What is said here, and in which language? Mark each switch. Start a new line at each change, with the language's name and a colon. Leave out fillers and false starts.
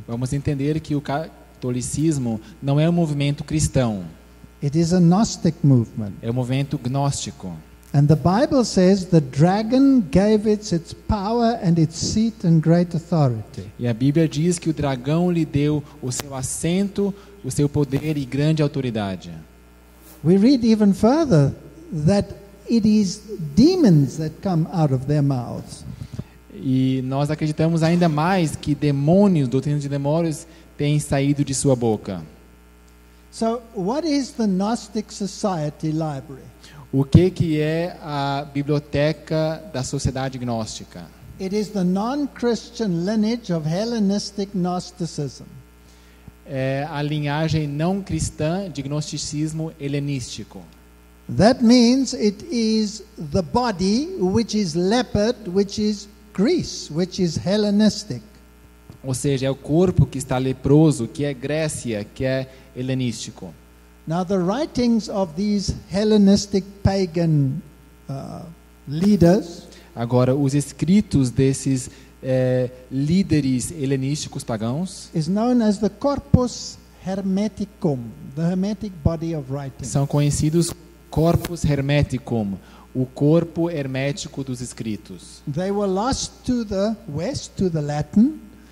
Portuguese: Vamos entender que o catolicismo não é um movimento cristão.
English: It is a Gnostic movement.
Portuguese: É um movimento gnóstico.
English: And the Bible says the dragon gave it its power and its seat and great authority.
Portuguese: E a Bíblia diz que o dragão lhe deu o seu assento, o seu poder e grande autoridade.
English: We read even further that it is demons that come out of their mouths.
Portuguese: E nós acreditamos ainda mais que demônios, doutrina de demônios, têm saído de sua boca.
English: So, what is the Gnostic Society Library?
Portuguese: O que é a biblioteca da sociedade gnóstica?
English: It is the non-Christian lineage of Hellenistic Gnosticism.
Portuguese: É a linhagem não cristã de gnosticismo helenístico.
English: That means it is the body which is leopard, which is Greece, which is Hellenistic.
Portuguese: Ou seja, é o corpo que está leproso, que é Grécia, que é helenístico.
English: Now the writings of these Hellenistic pagan leaders.
Portuguese: Agora os escritos desses líderes helenísticos pagãos.
English: Is known as the Corpus Hermeticum, the Hermetic body of writings.
Portuguese: São conhecidos Corpus Hermeticum, o corpo hermético dos escritos.
English: They were lost to the west, to the Latin.